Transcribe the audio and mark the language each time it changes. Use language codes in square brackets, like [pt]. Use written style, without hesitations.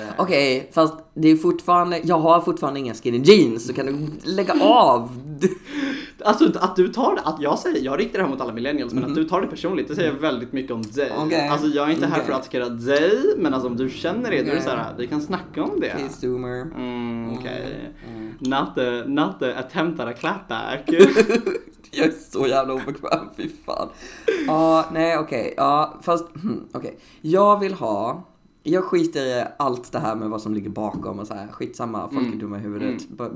[sv] Okej, okay, fast det är fortfarande, jag har fortfarande inga skinny jeans, så kan du lägga av. Alltså att du tar det, att jag säger, jag riktar det här mot alla millennials, men att du tar det personligt, det säger väldigt mycket om dig. Okay. Alltså jag är inte här för att attackera dig, men alltså om du känner det, då är det så här, vi kan snacka om det. Okej, zoomer. Okej. [en] Not the attempt at a clapback. [sv] Jag är så jävla obekväm, fy fan. Ja, nej, okej. Okay. Ja, fast, okej. Okay. Jag vill ha Jag skiter i allt det här med vad som ligger bakom och så här, skitsamma, folk är dumma i huvudet.